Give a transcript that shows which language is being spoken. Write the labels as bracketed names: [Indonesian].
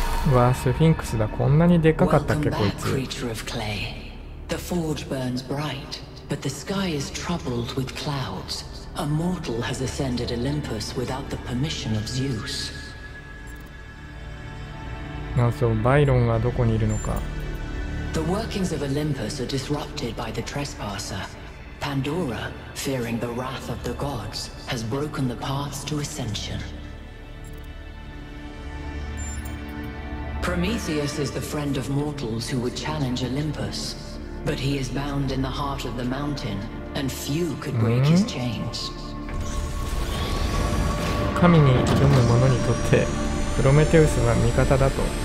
[Japanese] うわ、スフィンクスだ。こんなにでかかったっけこいつ。 [English] Welcome back, creature of clay. The forge burns bright, but the sky is troubled with clouds. A mortal has ascended Olympus without the permission of Zeus. [Japanese] あ、そう、バイロンがどこにいるのか。 [English] The workings of Olympus are disrupted by the trespasser. Pandora, fearing the wrath of the gods, has broken the paths to ascension. Prometheus is the friend of mortals who would challenge Olympus, but he is bound in the heart of the mountain. And few could break his chains. [Japanese] 神に挑む者にとってプロメテウスは味方だと。